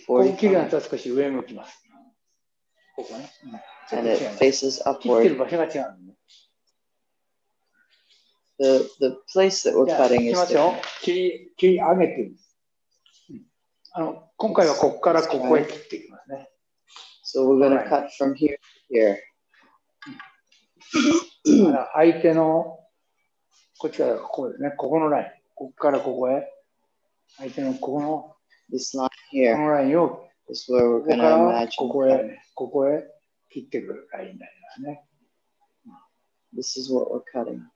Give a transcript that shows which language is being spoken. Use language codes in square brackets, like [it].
[ja] ここ切るのと少し上向きます。ここね。 [en] And it faces upward. The place that we're cutting is different. [ja] 切り上げてる。今回はここからここへ切っていきますね。 [en] So we're going to cut from here to here. [ja] 相手のこっちからここですね。ここのライン。ここからここへ。相手のここの。 [en] This line here. [ja] このラインを。 [en] This is where we're going to imagine. [ja] ここへ。ここへ。切ってくるラインになりますね。 [en] This is what we're cutting.